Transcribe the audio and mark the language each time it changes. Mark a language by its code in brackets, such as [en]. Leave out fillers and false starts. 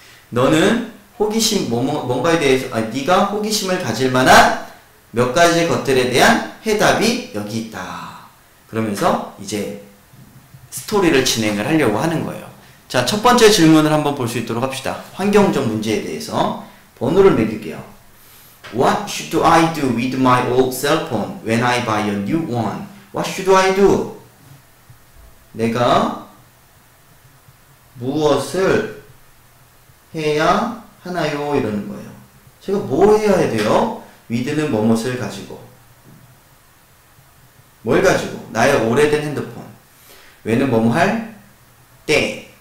[ko] 너는 호기심, 뭔가에 대해서, 아니, 네가 호기심을 가질 만한 몇 가지 것들에 대한 해답이 여기 있다. 그러면서 이제 스토리를 진행을 하려고 하는 거예요. 자, 첫 번째 질문을 한번 볼 수 있도록 합시다. 환경적 문제에 대해서. 번호를 매길게요. [en] What should I do with my old cell phone when I buy a new one? What should I do? [ko] 내가 무엇을 해야 하나요? 이러는 거예요. 제가 뭘 해야 돼요? with는 뭐뭐를 가지고. 뭘 가지고? 나의 오래된 핸드폰. when은 뭐뭐 할 때.